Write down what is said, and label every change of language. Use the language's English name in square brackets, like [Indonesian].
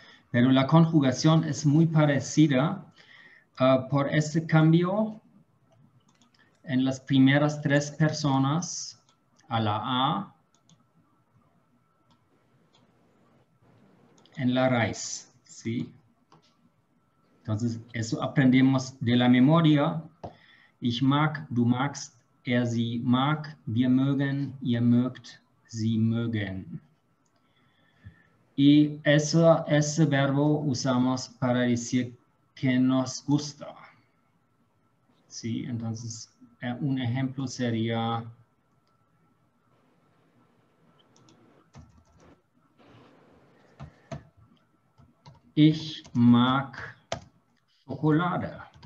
[Spanish] Pero la conjugación es muy parecida. Por este cambio, en las primeras tres personas a la A en la raíz, ¿sí? Entonces, eso aprendemos de la memoria. [German] Ich mag, du magst, er, sie mag, wir mögen, ihr mögt, sie mögen. [Spanish] Y ese verbo usamos para decir que nos gusta. Sí, entonces un ejemplo sería [German] Ich mag Schokolade.